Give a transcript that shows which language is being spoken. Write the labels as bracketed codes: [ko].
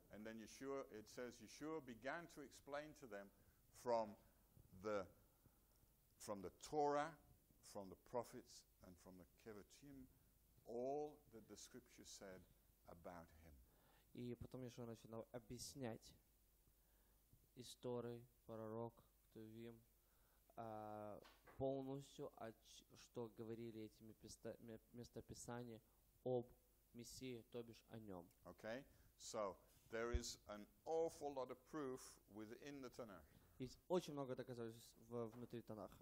[en] And then Yeshua, it says, Yeshua began to explain to them from the Torah, from the prophets, and from the Ketuvim, all that the scripture said about him. [ru] И потом Иешуа начинал объяснять истории, пророк, Ктувим, полностью, что говорили эти местописания об Мессии, то бишь о нем. [en] Okay, so there is an awful lot of proof within the Tanakh. [ru] Есть очень много доказательств внутри Танаха.